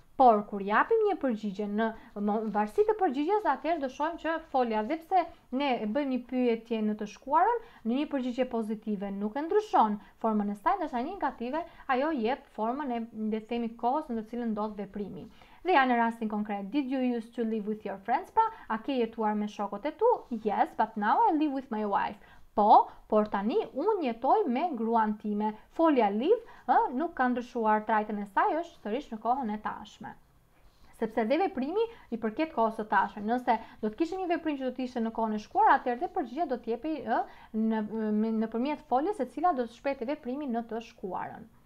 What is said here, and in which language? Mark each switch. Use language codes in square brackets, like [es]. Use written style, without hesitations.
[sq] Por, kur japim një përgjigje, në varësi të përgjigjes, atëherë do shohim që folja, dhe pse ne bëjmë një pyetje në të shkuarën, në një përgjigje pozitive nuk e ndryshon formën e saj, ndërsa një negative, ajo jep formën e, le të themi, kohës në të cilën ndodh veprimi. Dhe ja në rastin konkret, [en] did you used to live with your friends? [sq] Pra, a ke jetuar me shokët e tu? [en] Yes, but now I live with my wife. [sq] Po, por tani unë jetoj me gruan time. Folja live, nuk ka ndryshuar trajtën e saj, është sërish në kohën e tashme. sepse dhe veprimi i përket kohës së tashme. Nëse do të kishe një veprim që do të ishte në kohën e shkuar, atëherë dhe përgjigje do të jepi nëpërmjet foljes së cila do të shprehet veprimin në të shkuarën.